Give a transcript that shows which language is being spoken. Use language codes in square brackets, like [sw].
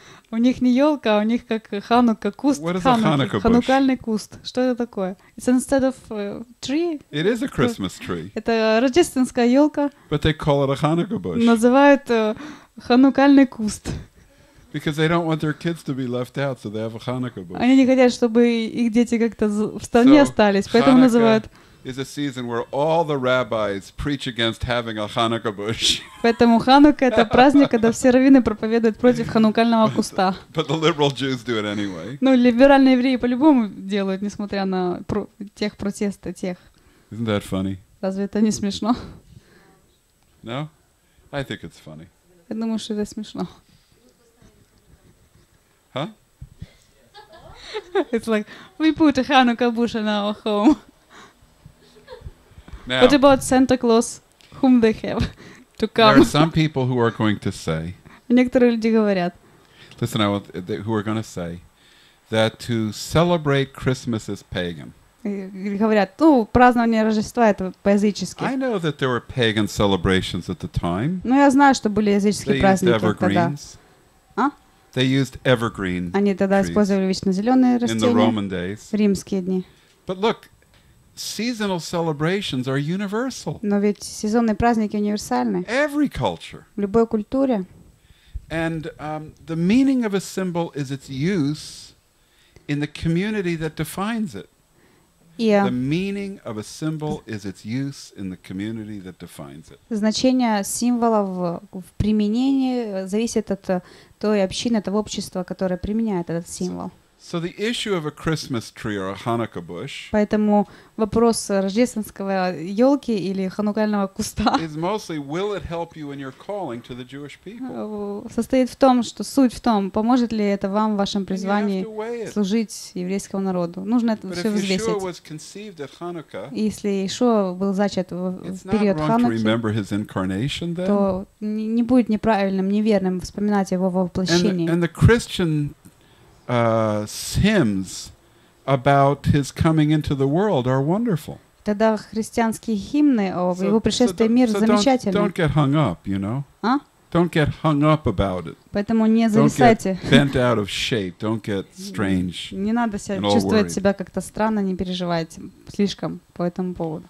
[ru] У них не елка, а у них как ханука куст. [en] What is Hanukkah? A Hanukkah bush? [ru] Ханукальный куст. Что это такое? [en] It's instead of tree. It is a Christmas tree. [ru] Это рождественская елка. [en] But they call it a Hanukkah bush. [ru] Называют ханукальный куст. [en] Because they don't want their kids to be left out, so they have a Hanukkah bush. [ru] Они не хотят, чтобы их дети как-то в стороне остались, поэтому называют. [en] Is a season where all the rabbis preach against having a Hanukkah bush. [ru] Поэтому Ханука — это праздник, когда все раввины проповедуют против ханукального куста. [en] But the liberal Jews do it anyway. [ru] Ну, либеральные евреи по-любому делают, несмотря на тех протесты тех. [en] Isn't that funny? [ru] Разве это не смешно? [en] No? I think it's funny. [ru] Я думаю, что это смешно. Huh? [en] It's like we put a Hanukkah bush in our home. Now, what about Santa Claus, whom they have to come? There are some people who are going to say. [ru] Некоторые люди говорят. [en] Listen, who are going to say that to celebrate Christmas is pagan? [ru] Говорят, празднование Рождества это по-язычески. [en] I know that there were pagan celebrations at the time. [ru] Ну я знаю, что были языческие праздники тогда. [en] They used evergreens. [ru] Они тогда использовали вечнозеленые растения. [en] In the Roman days. [ru] Римские дни. [en] But look. Seasonal celebrations are universal. [ru] Но ведь сезонные праздники универсальны. [en] Every culture. [ru] В любой культуре. [en] And the meaning of a symbol is its use in the community that defines it. Yeah. The meaning of a symbol is its use in the community that defines it. [ru] Значение символа в применении зависит от той общины, того общества, которое применяет этот символ. [en] So the issue of a Christmas tree or a Hanukkah bush. [ru] Поэтому вопрос рождественского елки или ханукального куста. [en] Is mostly will it help you in your calling to the Jewish people? [ru] Состоит в том, что суть в том, поможет ли это вам в вашем призвании служить еврейскому народу. Нужно это все взвесить. [en] But if Yeshua was conceived at Hanukkah. [ru] Если Иешуа был зачат в период Хануки. [en] It's not wrong to remember his incarnation then. [ru] То не будет неправильным, неверным вспоминать его воплощение. [en] And the Christian hymns about his coming into the world are wonderful. [ru] Тогда христианские гимны о его пришествии в мир замечательны. [en] Don't get hung up, you know. А? Don't get hung up about it. [ru] Поэтому не зависайте. [en] Don't get bent out of shape. Don't get strange. [ru] Не надо себя чувствовать себя как-то странно, не переживайте слишком по этому поводу.